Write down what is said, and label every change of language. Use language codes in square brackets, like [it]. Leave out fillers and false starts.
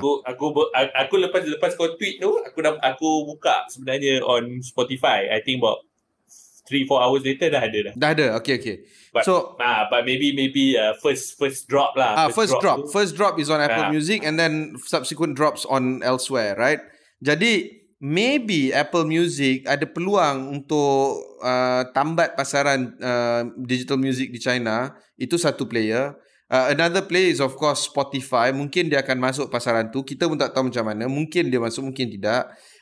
[ms] Aku lepas kau tweet tu, aku buka sebenarnya on Spotify. [en] I think about 3-4 hours later [ms] dah ada. Okay. [en] But maybe first drop lah. First drop is on Apple Music, and then subsequent drops on elsewhere, right? [ms] Jadi maybe Apple Music ada peluang untuk tambat pasaran digital music di China. Itu satu player. [en] Another player is of course Spotify. [ms] Mungkin dia akan masuk pasaran tu. Kita pun tak tahu macam mana. Mungkin dia masuk, mungkin tidak.